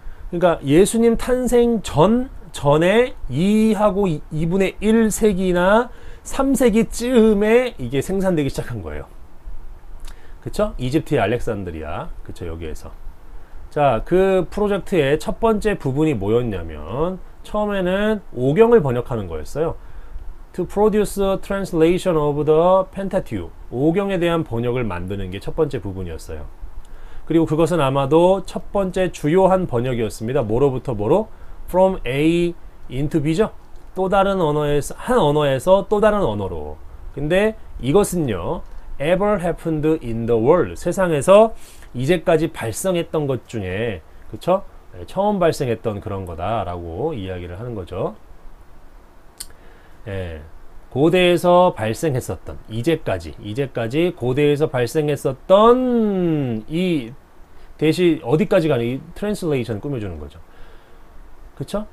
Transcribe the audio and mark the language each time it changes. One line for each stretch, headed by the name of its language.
Korean: 그러니까 예수님 탄생 전에 2하고 2분의 1 세기나 3세기쯤에 이게 생산되기 시작한 거예요. 그쵸? 이집트의 알렉산드리아. 그쵸? 여기에서. 자, 그 프로젝트의 첫 번째 부분이 뭐였냐면, 처음에는 오경을 번역하는 거였어요.
English: To produce a translation of the Pentateuch.
Korean: 오경에 대한 번역을 만드는 게첫 번째 부분이었어요. 그리고 그것은 아마도 첫 번째 주요한 번역이었습니다. 뭐로부터 뭐로?
English: From A into B
Korean: 죠? 또 다른 언어에서, 한 언어에서 또 다른 언어로. 근데 이것은요,
English: ever happened in the world.
Korean: 세상에서 이제까지 발생했던 것 중에, 그쵸? 처음 발생했던 그런 거다라고 이야기를 하는 거죠. 예, 고대에서 발생했었던, 이제까지 고대에서 발생했었던 이 대신 어디까지 가는 이 트랜슬레이션 꾸며주는 거죠. 그쵸?